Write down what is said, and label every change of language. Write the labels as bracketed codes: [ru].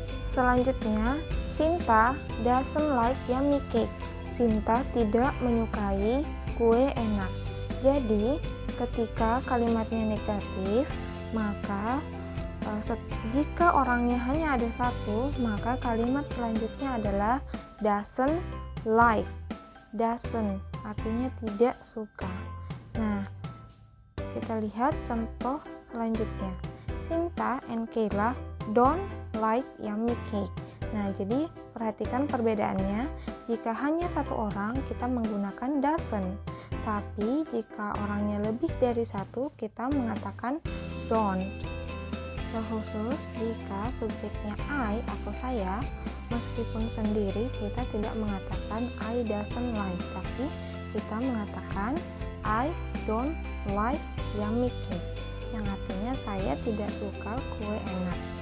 [id] Selanjutnya, [en] Cinta doesn't like yummy cake. [id] Cinta tidak menyukai kue enak. Jadi ketika kalimatnya negatif, maka jika orangnya hanya ada satu, maka kalimat selanjutnya adalah [en] doesn't like. [id] Doesn't artinya tidak suka. Nah, kita lihat contoh selanjutnya. [en] Cinta and Kayla don't like yummy cake. [id] Nah, jadi perhatikan perbedaannya. Jika hanya satu orang, kita menggunakan doesn't. Tapi jika orangnya lebih dari satu, kita mengatakan don't. Khusus jika subjeknya I atau saya, meskipun sendiri kita tidak mengatakan [en] I doesn't like, [id] tapi kita mengatakan [en] I don't like yummy cake, [id] yang artinya saya tidak suka kue enak.